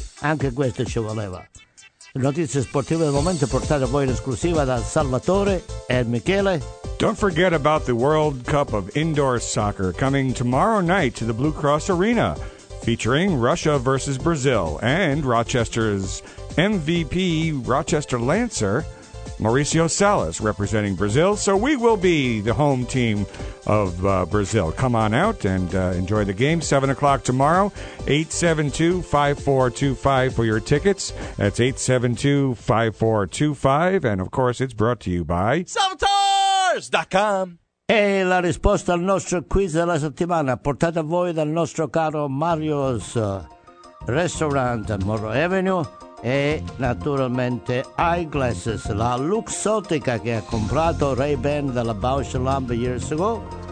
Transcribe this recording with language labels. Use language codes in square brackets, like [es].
[it] Anche questo ci voleva. Notizie sportive del momento portate a voi in esclusiva da Salvatore e Michele. [en] Don't forget about the World Cup of Indoor Soccer coming tomorrow night to the Blue Cross Arena, featuring Russia versus Brazil and Rochester's MVP Rochester Lancer, Mauricio Salas, representing Brazil. So we will be the home team of Brazil. Come on out and enjoy the game. 7 o'clock tomorrow, 872-5425 for your tickets. That's 872-5425. And, of course, it's brought to you by Salvatores.com. [it] E la risposta al nostro quiz della settimana, portata a voi dal nostro caro Mario's Restaurant a Morro Avenue, e naturalmente Eyeglasses, la luxottica che ha comprato Ray-Ban dalla Bausch & Lomb [en] years ago.